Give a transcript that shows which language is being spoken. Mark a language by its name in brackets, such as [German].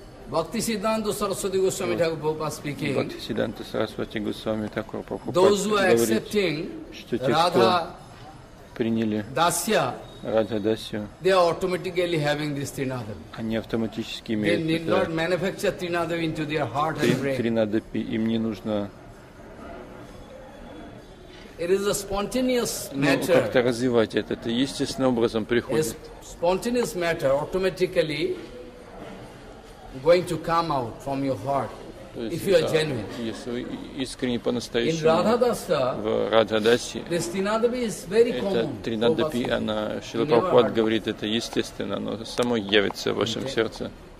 [English] Bhakti Siddhanta Saraswati Goswami Thakur Prabhupada speaking. Bhakti Siddhanta Saraswati Goswami Thakur Prabhupada. Those who are accepting Radha [Russian] приняли [English] Dasya, Radha Dasya, they are automatically having this Trinadavi. [Russian] Они автоматически имеют. [English] They need not manufacture Trinadavi into their heart and brain. [Russian] Trinadapi им не нужно. [English] It is a spontaneous matter. [Russian] Как-то развивать это естественным образом приходит. [English] Spontaneous matter automatically going to come out from your heart. If you are genuine. [Russian] Если вы искренне по-настоящему в Радхадасе, это Тринадапи, она, Шрила Прабхупад говорит, это естественно, оно само явится в вашем сердце.